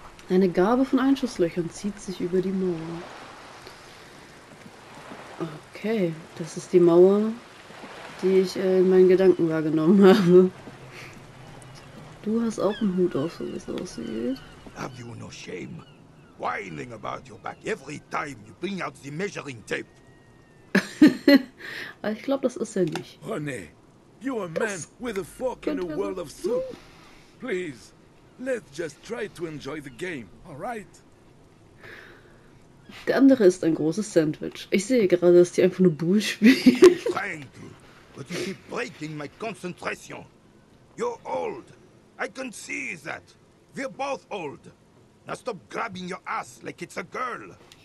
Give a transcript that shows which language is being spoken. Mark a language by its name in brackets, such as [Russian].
[German] Eine Gabe von Einschusslöchern zieht sich über die Mauer. Okay, das ist die Mauer, die ich in meinen Gedanken wahrgenommen habe. Du hast auch einen Hut auf, so wie es aussieht. [English] Have you no shame? Whining about your back every time you bring out the measuring tape. [German] Ich glaube, das ist er nicht. [English] Honey, you're a man with a fork in a world of soup. Please. Let's just try to enjoy the game, alright? [German] Der andere ist ein großes Sandwich. Ich sehe gerade, dass die einfach nur Boule spielen. [English] I'm trying to, but you keep breaking my concentration. You're old. I can see that. We're both old. Now stop grabbing your ass like it's a girl.